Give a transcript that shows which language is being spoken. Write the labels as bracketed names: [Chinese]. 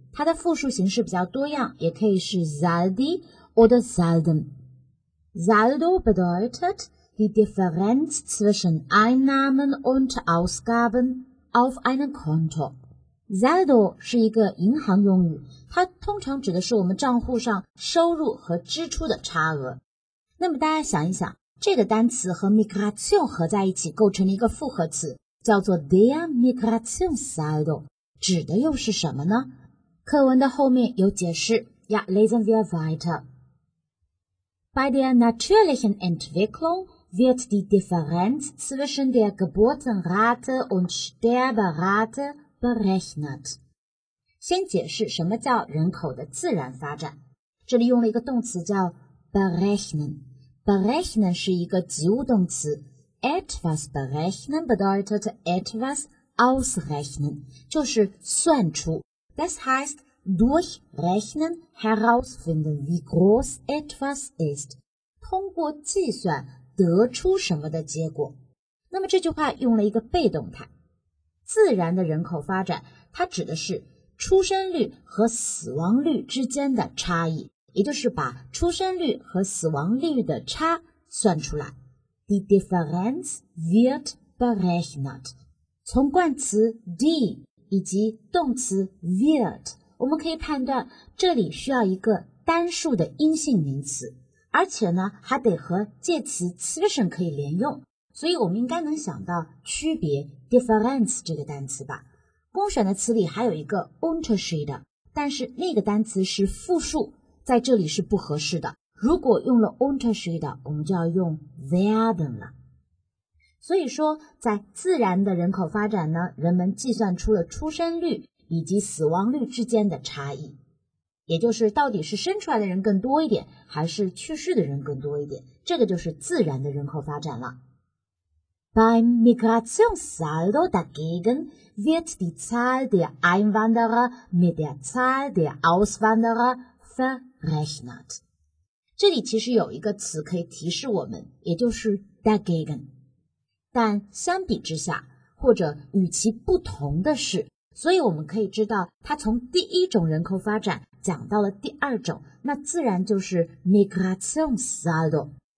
[Chinese] 它的复数形式比较多样，也可以是 [German] Saldi oder Salden. Saldo bedeutet die Differenz zwischen Einnahmen und Ausgaben. Auf einem Konto. [Chinese] Saldo 是一个银行用语，它通常指的是我们账户上收入和支出的差额。那么大家想一想，这个单词和 migration 合在一起构成了一个复合词，叫做 der Migrationssaldo, 指的又是什么呢？课文的后面有解释。 [German] Ja, lesen wir weiter. Bei der natürlichen Entwicklung,wird die Differenz zwischen der Geburtenrate und Sterberate berechnet. [Chinese] 先解释什么叫人口的自然发展。这里用了一个动词叫 berechnen。 berechnen 是一个及物动词。 [German] etwas berechnen bedeutet etwas ausrechnen, [Chinese] 就是算出。 [German] Das heißt, durchrechnen herausfinden, wie groß etwas ist. [Chinese] 通过计算得出什么的结果。那么这句话用了一个被动态。自然的人口发展，它指的是出生率和死亡率之间的差异，也就是把出生率和死亡率的差算出来。 [German] Die Differenz wird berechnet. [Chinese] 从冠词 die 以及动词 wird 我们可以判断这里需要一个单数的阴性名词，而且呢还得和介词 zwischen 可以连用，所以我们应该能想到区别 Differenz 这个单词吧。公选的词里还有一个 Unterschiede， 但是那个单词是复数，在这里是不合适的。如果用了 Unterschiede， 我们就要用 werden 了。所以说在自然的人口发展呢，人们计算出了出生率以及死亡率之间的差异，也就是到底是生出来的人更多一点还是去世的人更多一点，这个就是自然的人口发展了。 [German] Beim Migrationssaldo dagegen wird die Zahl der Einwanderer mit der Zahl der Auswanderer verrechnet. [Chinese] 这里其实有一个词可以提示我们，也就是 dagegen. 但相比之下，或者与其不同的是，所以我们可以知道它从第一种人口发展讲到了第二种，那自然就是 Migrationssaldo.